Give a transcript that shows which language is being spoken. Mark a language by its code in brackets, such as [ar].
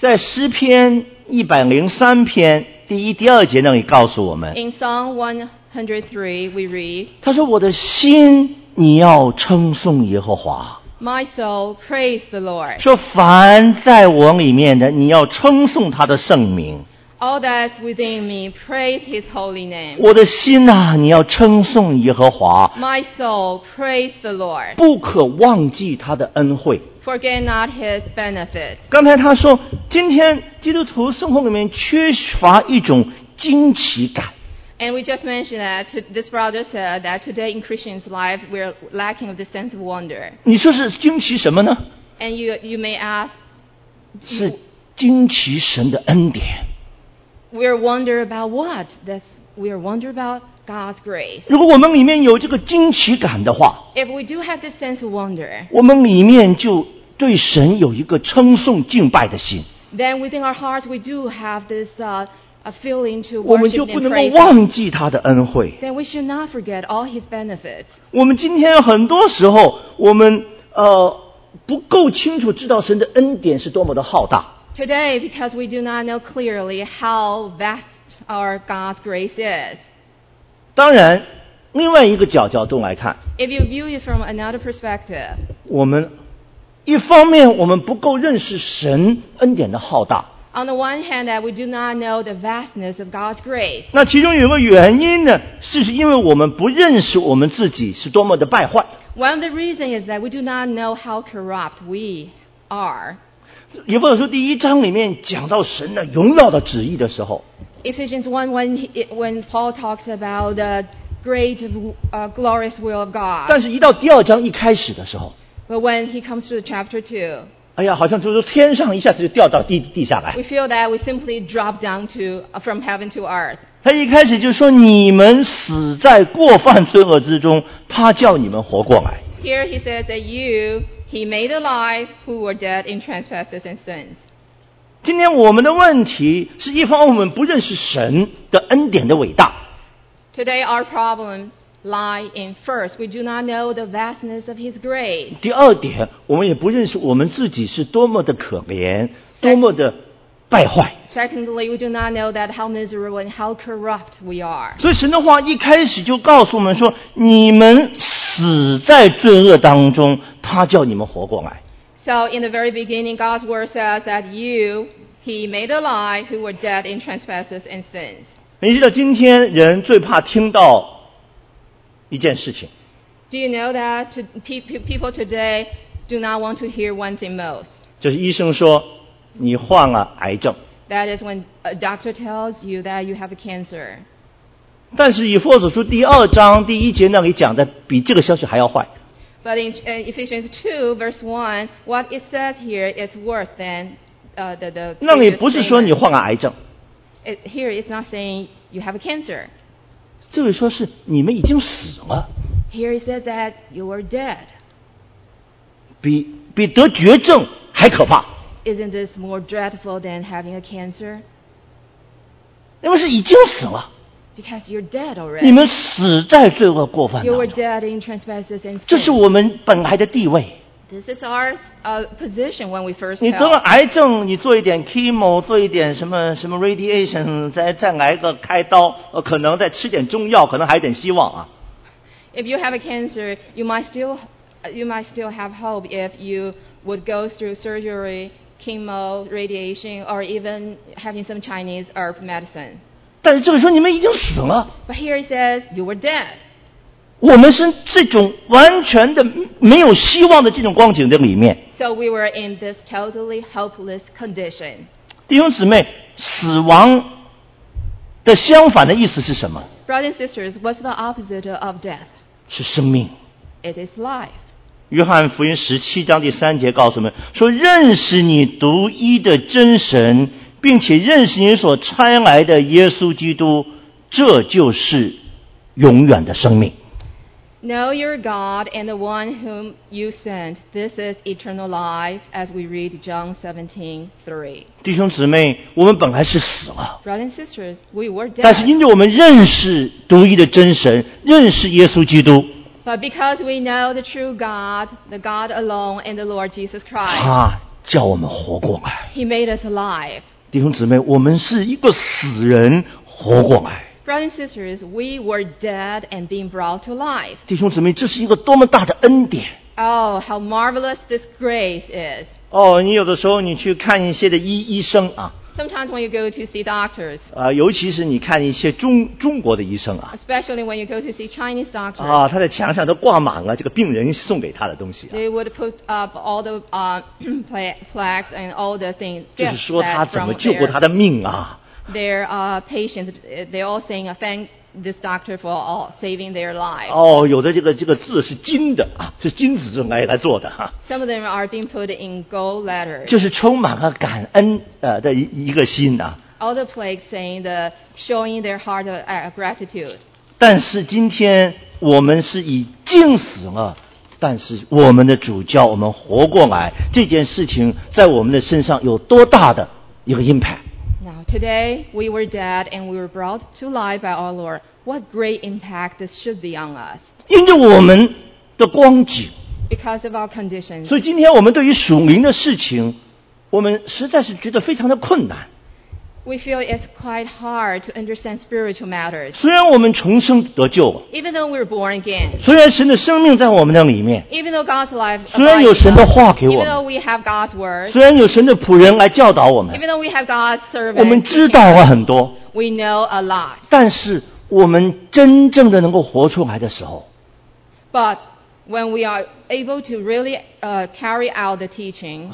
[zh] 在诗篇103篇第一、第二节那里告诉我们。 [en] In Psalm 103 we read, [zh] 他说我的心你要称颂耶和华。 [en] My soul praise the Lord. [zh] 说凡在我里面的你要称颂他的圣名。 [en] All that's within me, praise his holy name. [zh] 我的心啊，你要称颂耶和华。 [en] My soul, praise the Lord. [zh] 不可忘记他的恩惠。 [en] Forget not his benefits. [zh] 刚才他说，今天基督徒生活里面缺乏一种惊奇感。 [en] And we just mentioned that this brother said that today in Christian's life we're lacking of the sense of wonder. [zh] 你说是惊奇什么呢？ [en] And you may ask, [zh] 是惊奇神的恩典。 [en] We're wonder about what? That's we're wonder about God's grace. [zh] 如果我们里面有这个惊奇感的话， [en] If we do have the sense of wonder, [zh] 我们里面就对神有一个称颂敬拜的心。 [en] Then within our hearts we do have this a feeling to worship. [zh] 我们就不能够忘记他的恩惠。 [en] Then we should not forget all his benefits. [zh] 我们今天很多时候我们不够清楚知道神的恩典是多么的浩大。 [en] Today, because we do not know clearly how vast our God's grace is. [zh] 当然，另外一个角度来看。 [en] If you view it from another perspective. [zh] 我们一方面我们不够认识神恩典的浩大。 [en] On the one hand, that we do not know the vastness of God's grace. [zh] 那其中有个原因呢，是因为我们不认识我们自己是多么的败坏。 [en] One of the reasons is that we do not know how corrupt we are. [zh] 以弗所书第一章里面讲到神的荣耀的旨意的时候， [en] Ephesians 1 when Paul talks about the great glorious will of God， [zh] 但是一到第二章一开始的时候， [en] But when he comes to chapter 2， [zh] 哎呀好像就是天上一下子就掉到地下来， [en] We feel that we simply drop down to from heaven to earth。 [zh] 他一开始就说你们死在过犯罪恶之中，他叫你们活过来。 [en] Here he says that youHe made alive who were dead in trespasses and sins. [zh] 今天我们的问题是一方我们不认识神的恩典的伟大。 [en] Today our problems lie in first. We do not know the vastness of his grace. [zh] 第二点，我们也不认识我们自己是多么的可怜，多么的败坏。 [en] Secondly, we do not know that how miserable and how corrupt we are. [zh] 所以神的话一开始就告诉我们说，你们死在罪恶当中，他叫你们活过来。 [en] So in the very beginning, God's word says that you, he made alive who were dead in trespasses and sins. [zh] 你知道今天人最怕听到一件事情。 [en] Do you know that people today do not want to hear one thing most? [zh] 就是医生说你患了癌症。 [en] That is when a doctor tells you that you have a cancer. [zh] 但是以弗所书第二章第一节那里讲的比这个消息还要坏。 [en] But in Ephesians 2 verse 1, what it says here is worse than the [zh] 那里不是说你患了癌症。 [en] Here it's not saying you have a cancer. [zh] 这里说是你们已经死了。 [en] Here it says that you are dead. [zh] 比比得绝症还可怕。 [en] Isn't this more dreadful than having a cancer? [zh] 因为是已经死了。 [en] Because you're dead already. [zh] 你们死在罪恶过犯当中。 [en] You were dead in trespasses and sin. [zh] 这是我们本来的地位。 [en] This is our position when we first. [zh] 你得了癌症，你做一点 chemo， 做一点什么什么 radiation， 再来个开刀，可能再吃点中药，可能还有点希望啊。 [en] If you have a cancer, you might still have hope if you would go through surgery, chemo, radiation, or even having some Chinese herb medicine. [zh] 但是这个时候你们已经死了。 [en] But here he says you were dead. [zh] 我们是这种完全的没有希望的这种光景的里面。 [en] So we were in this totally hopeless condition. [zh] 弟兄姊妹，死亡的相反的意思是什么？ [en] Brothers and sisters, what's the opposite of death? [zh] 是生命。 [en] It is life. [zh] 约翰福音十七章第三节告诉我们说，认识你独一的真神，并且认识你所差来的耶稣基督，这就是永远的生命。 [en] Know your God and the one whom you sent. This is eternal life, as we read John 17:3. [zh] 弟兄姊妹，我们本来是死了。 [en] Brothers and sisters, we were dead. [zh] 但是因着我们认识独一的真神，认识耶稣基督。 [en] But because we know the true God, the God alone, and the Lord Jesus Christ, [zh] 他叫我们活过来。 [en] He made us alive. [zh] 弟兄姊妹，我们是一个死人活过来。 [en] Brothers and sisters, we were dead and being brought to life. [zh] 弟兄姊妹，这是一个多么大的恩典！ [en] Oh, how marvelous this grace is! [zh] 哦，你有的时候你去看一些的医生啊。 [en] Sometimes when you go to see doctors. [zh] 啊，尤其是你看一些中国的医生啊。 [en] Especially when you go to see Chinese doctors. [zh] 啊，他的墙上都挂满了这个病人送给他的东西啊。 [en] They would put up all the plaques and all the things. [zh] 就是说他怎么救过他的命啊？ [en] Their patients, they're all saying, thank this doctor for all saving their lives. [zh] 哦，有的这个字是金的啊，是金子来做的哈。 [en] Some of them are being put in gold letters. [zh] 就是充满了感恩的一个心啊。 [en] All the plaques saying the showing their heart of gratitude. [zh] 但是今天我们是已经死了，但是我们的主叫我们活过来，这件事情在我们的身上有多大的一个 impact？ [en] Now, today, we were dead and we were brought to life by our Lord. What great impact this should be on us. [zh] 因着我们的光景。 [en] Because of our condition. [zh] 所以今天我们对于属灵的事情，我们实在是觉得非常的困难。 [en] We feel it's quite hard to understand spiritual matters. [zh] 虽然我们重生得救了。 [en] Even though we were born again. [zh] 虽然神的生命在我们的里面。 [en] Even though God's life. [zh] 虽然有神的话给我们。 [en] Even though we have God's word. [zh] 虽然有神的仆人来教导我们。 [en] Even though we have God's servant. [zh] 我们知道了很多。 [en] We know a lot. [zh] 但是我们真正的能够活出来的时候。 [en] But when we are able to really carry out the teaching.